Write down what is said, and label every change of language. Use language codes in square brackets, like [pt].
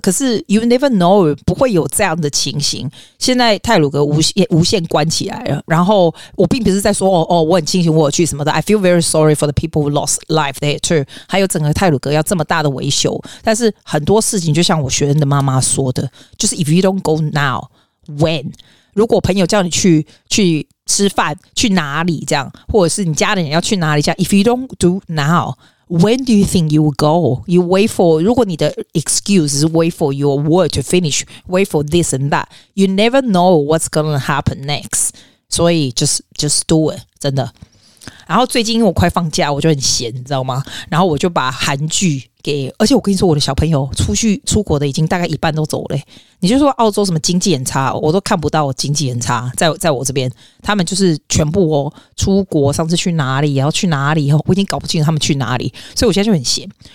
[zh] 可是 [en] you never know， [zh] 不会有这样的情形。现在泰鲁格无限关起来了，然后我并不是在说 哦我很庆幸我有去什么的， [en] I feel very sorry for the people who lost life there too， [zh] 还有整个泰鲁格要这么大的维修。但是很多事情就像我学生的妈妈说的，就是 [en] if you don't go now when， [zh] 如果朋友叫你去吃饭去哪里这样，或者是你家里人要去哪里这样， [en] if you don't do nowWhen do you think you will go? You wait for, [zh] 如果你的 [en] excuse is wait for your work to finish, wait for this and that, you never know what's going to happen next. [zh] 所以 [en] just do it, [zh] 真的。然后最近因为我快放假，我就很闲，你知道吗？然后我就把韩剧给，而且我跟你说，我的小朋友出国的已经大概一半都走了。你就说澳洲什么经济很差，我都看不到经济很差，在我这边，他们就是全部哦，出国，上次去哪里，然后去哪里，我已经搞不清他们去哪里，所以我现在就很闲。